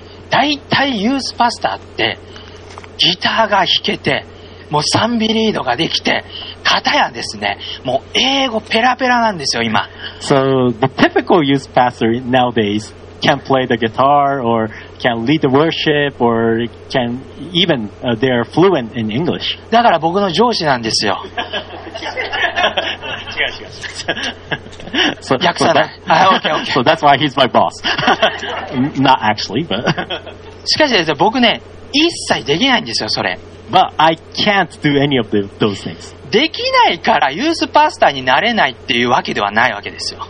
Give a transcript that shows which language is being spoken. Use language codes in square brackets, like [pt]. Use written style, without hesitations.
[ja] だいたいユースパスターってギターが弾けて、もう賛美リードができて、かたやですね、もう英語ペラペラなんですよ今。 [en] So the typical youth pastor nowadays can play the guitar or can lead the worship or can even they are fluent in English. [ja] だから僕の上司なんですよ。 [en] So that's why he's my boss. Not actually, but. [ja] しかしですね、僕ね、一切できないんですよ、それ。 [en] But I can't do any of those things. [ja] できないからユースパスターになれないっていうわけではないわけですよ。